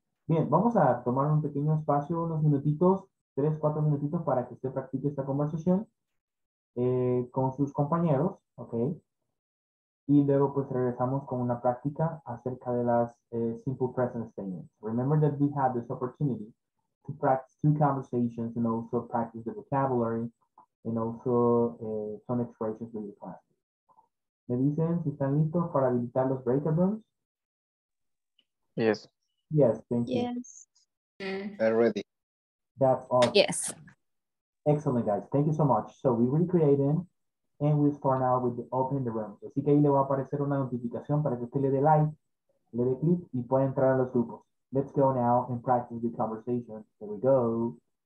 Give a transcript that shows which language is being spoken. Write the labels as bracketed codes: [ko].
[es] Bien, vamos a tomar un pequeño espacio, unos minutitos, 3-4 minutitos para que usted practique esta conversación con sus compañeros, okay? Y luego pues regresamos con una práctica acerca de las simple present statements. [en] Remember that we had this opportunity to practice two conversations and also practice the vocabulary and also some expressions with your class. [es] ¿Me dicen si están listos para habilitar los breakout rooms? [en] Yes. Yes, thank you. Yes. They're ready. That's awesome. Yes. Excellent, guys. Thank you so much. So we recreated and we start now with the opening the rooms. [es] Así que ahí le va a aparecer una notificación para que usted le dé like, le dé click y pueda entrar a los grupos. [en] Let's go now and practice the conversation. Here we go.